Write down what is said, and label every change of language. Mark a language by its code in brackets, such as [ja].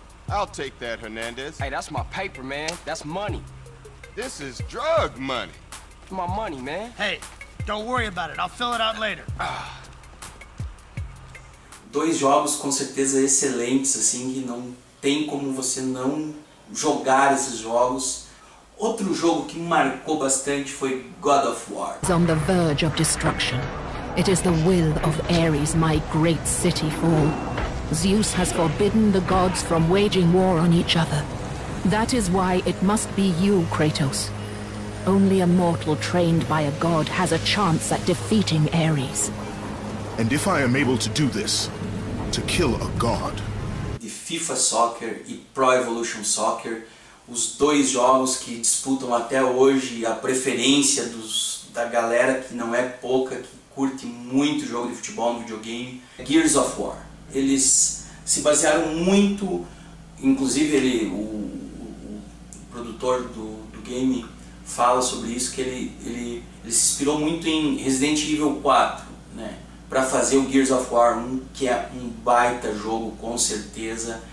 [en] I'll take that, Hernandez. Hey, that's my paper, man. That's money. This is drug money. My money, man. Hey, don't worry about it. I'll fill it out later. [pt] Dois jogos com certeza excelentes, assim, que não tem como você não jogar esses jogos. Outro jogo que marcou bastante foi God of War. [en] It's on the verge of destruction. It is the will of Ares, my great city fall. Zeus has forbidden the gods from waging war on each other. That is why it must be you, Kratos. Only a mortal trained by a god has a chance at defeating Ares. And if I am able to do this, to kill a god. [pt] De FIFA Soccer e Pro Evolution Soccer, os dois jogos que disputam até hoje a preferência da galera que não é pouca, que curte muito jogo de futebol no videogame, Gears of War. Eles se basearam muito, inclusive o produtor do game fala sobre isso, que ele se inspirou muito em Resident Evil 4, né, para fazer o Gears of War 1, que é um baita jogo, com certeza.